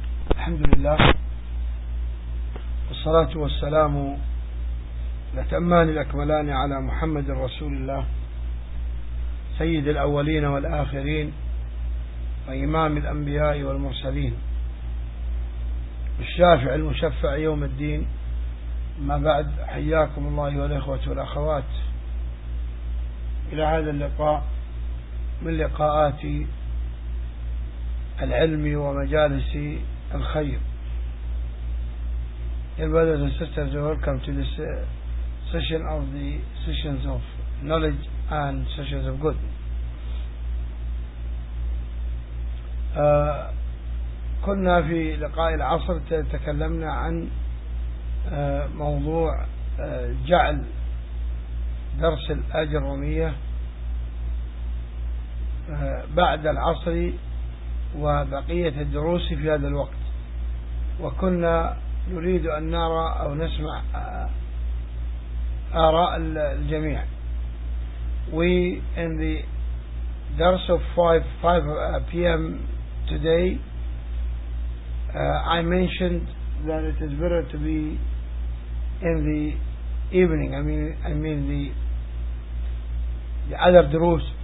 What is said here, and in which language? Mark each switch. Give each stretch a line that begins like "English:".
Arabic: الحمد لله والصلاة والسلام الأتمان الأكملان على محمد رسول الله سيد الأولين والآخرين وإمام الأنبياء والمرسلين الشافع المشفع يوم الدين. ما بعد، حياكم الله والإخوة والأخوات إلى هذا اللقاء من لقاءات العلم ومجالس الخير.
English: Brothers and sisters, welcome to this session of the sessions of knowledge and sessions of good.
Arabic: كنا في لقاء العصر تكلمنا عن موضوع جعل درس الأجرمية بعد العصر وبقية الدروس في هذا الوقت، وكنا نريد أن نرى أو نسمع آراء الجميع.
English: We in the درس of 5 p.m. today, I mentioned that it is better to be in the evening. I mean the other درس.